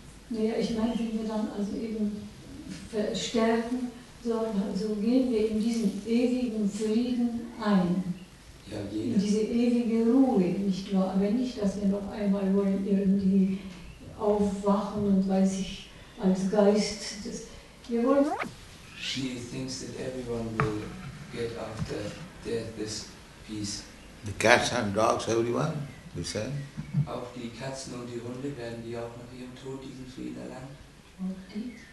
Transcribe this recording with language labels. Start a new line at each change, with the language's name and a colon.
German: Naja, ich meine, wenn wir dann also eben verstärken, so gehen wir in diesen ewigen Frieden ein. Ja, jeder. In diese ewige Ruhe, nicht nur, aber nicht, dass wir noch einmal wollen irgendwie aufwachen und weiß ich, als Geist. Das, wir wollen.
English: She thinks that everyone will get after death this peace. The cats and dogs, everyone, you said?
German: Auch die Katzen und die Hunde, werden die auch nach ihrem Tod diesen Frieden erlangen?